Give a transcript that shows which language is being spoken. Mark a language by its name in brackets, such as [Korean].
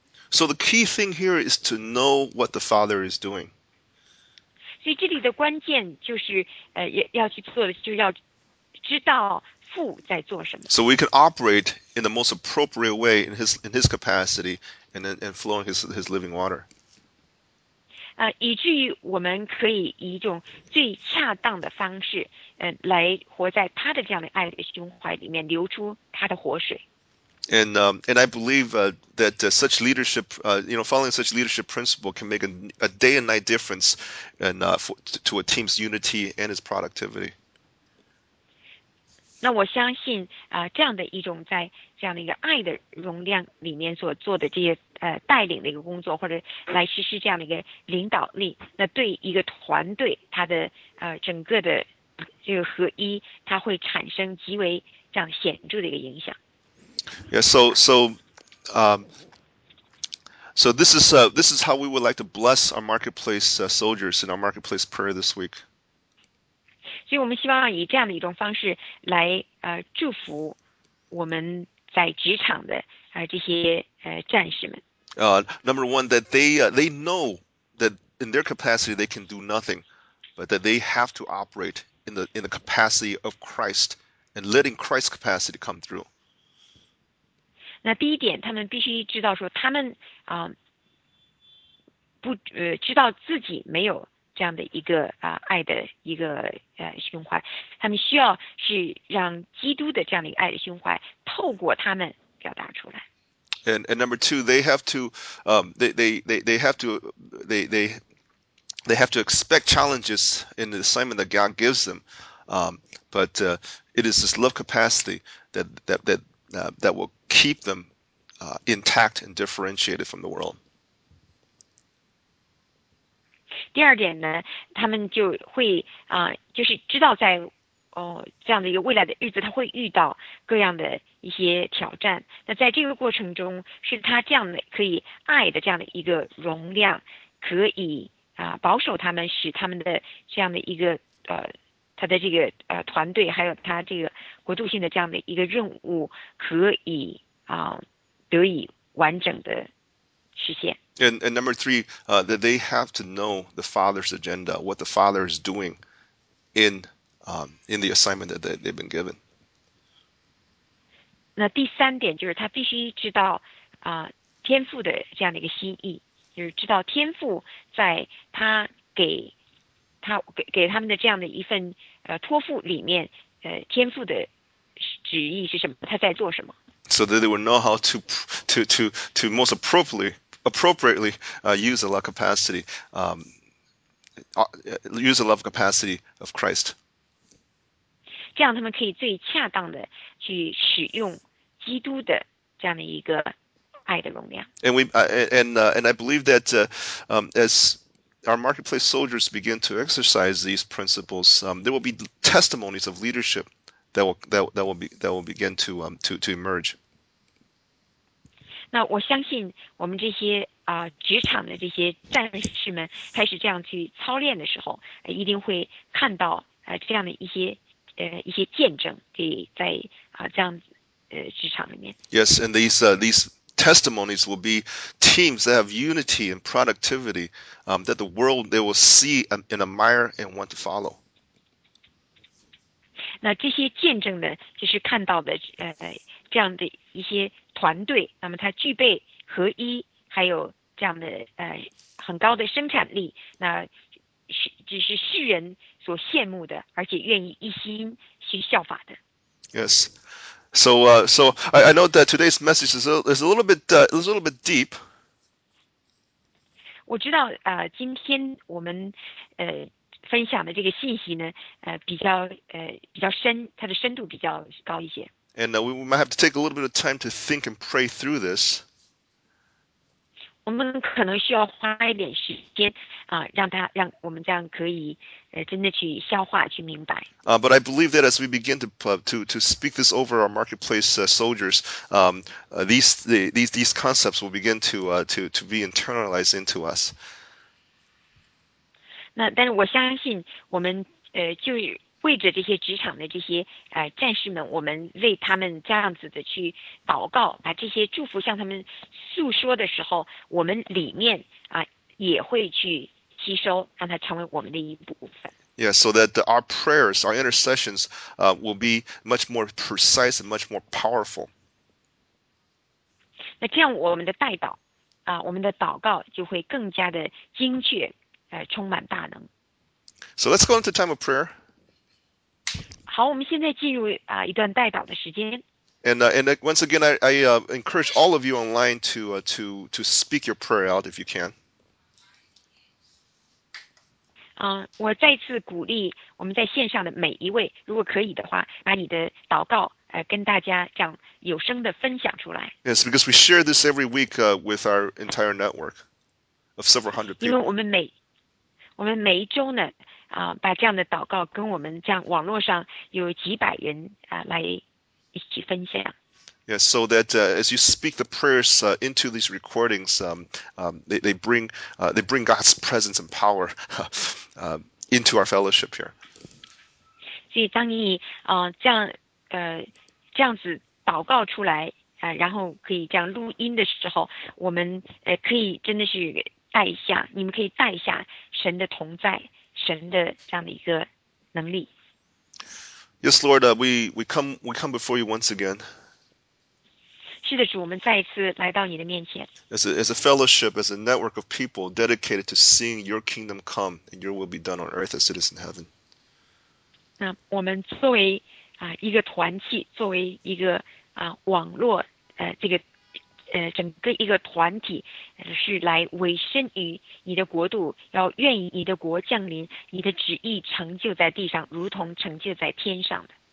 [English] So the key thing here is to know what the Father is doing. [Chinese] 所以这里的关键就是要去做的就是要知道父在做什么。 [English] So we can operate in the most appropriate way in his capacity and flowing his living water. [Chinese] 以至于我们可以以一种最恰当的方式来活在他的这样的爱的胸怀里面，流出他的活水。 [English] And I believe that such leadership, following such leadership principle can make a day and night difference and to a team's unity and its productivity. [Chinese] 那我相信这样的一种在这样的一个爱的容量里面所做的这些带领的一个工作，或者来实施这样的一个领导力，那对一个团队，它的整个的这个合一，它会产生极为这样显著的一个影响。 [English] Yeah, so this is how we would like to bless our marketplace soldiers in our marketplace prayer this week. [Chinese] 所以我们希望以这样的一种方式来祝福我们在职场的这些战士们。 [English] Number one, that they know that in their capacity they can do nothing, but that they have to operate in the capacity of Christ and letting Christ's capacity come through. [Chinese] 那第一点，他们必须知道说，他们知道自己没有这样的一个爱的一个胸怀，他们需要是让基督的这样的一个爱的胸怀透过他们表达出来。 [English] And number two, they have to expect challenges in the assignment that God gives them, it is this love capacity that will keep them intact and differentiated from the world. [Chinese] 第二点呢，他们就会就是知道在这样的一个未来的日子，他会遇到各样的一些挑战，那在这个过程中是他这样的可以爱的这样的一个容量可以保守他们，使他们的这样的一个他的这个团队还有他这个国度性的这样的一个任务可以得以完整的实现。 [English] And number three, that they have to know the Father's agenda, what the Father is doing in the assignment that they've been given. [Chinese] 那第三点就是他必须知道天父的这样的一个心意，就是知道天父在他给他们的这样的一份托付里面天父的旨意是什么，他在做什么。 [English] So that they will know how to most appropriately use a love capacity, use a love capacity of Christ. [Chinese] 这样他们可以最恰当的去使用基督的这样的一个爱的容量。 [English] And I believe that as our marketplace soldiers begin to exercise these principles, there will be testimonies of leadership that will begin to emerge. [Chinese] 那我相信我们这些职场的这些战士们开始这样去操练的时候，一定会看到这样的一些见证，可以在这样职场里面。 [English] Yes, and these testimonies will be teams that have unity and productivity, that the world they will see and admire and want to follow. [Chinese] 那这些见证呢，就是看到的这样的一些团队，那么它具备合一，还有这样的很高的生产力，那只是世人所羡慕的，而且愿意一心去效法的。 [English] Yes, so I know that today's message is a little bit deep. [Chinese] 我知道今天我们分享的这个信息呢，比较深，它的深度比较高一些。 [English] And we might have to take a little bit of time to think and pray through this. [Chinese] 我们可能需要花一点时间让我们这样可以真的去消化去明白。 [English] But I believe that as we begin to speak this over our marketplace soldiers, these concepts will begin to be internalized into us. [Chinese] 那但是我相信我们就为着这些职场的这些战士们，我们为他们这样子的去祷告，把这些祝福向他们诉说的时候，我们里面也会去吸收，让它成为我们的一部分。 [English] Yeah, so that our prayers, our intercessions, will be much more precise and much more powerful. [Chinese] 那这样我们的代祷我们的祷告就会更加的精确充满大能。 [English] So let's go into time of prayer. [Chinese] 好，我们现在进入一段代祷的时间。 [English] And once again, I encourage all of you online to speak your prayer out if you can. [Chinese] 我再次鼓励我们在线上的每一位，如果可以的话，把你的祷告跟大家这样有声的分享出来。 [English] Yes, because we share this every week with our entire network of several hundred people. [Chinese] 因为我们每一周呢。把这样的祷告跟我们这样网络上有几百人来一起分享。 [English] Yes, so that as you speak the prayers into these recordings, they bring God's presence and power into our fellowship here. [Chinese] 所以当你这样子祷告出来然后可以这样录音的时候，我们可以真的是带下，你们可以带下神的同在。神的这样的一个能力。 [English] Yes, Lord, we come before you once again. [Chinese] 是的，主，我们再一次来到你的面前。 [English] As a fellowship, as a network of people dedicated to seeing your kingdom come and your will be done on earth as it is in heaven. [Chinese] 那我们作为一个团契，作为一个网络这个整个一个团体是来委身于你的国度，要愿意你的国降临，你的旨意成就在地上，如同成就在天上的。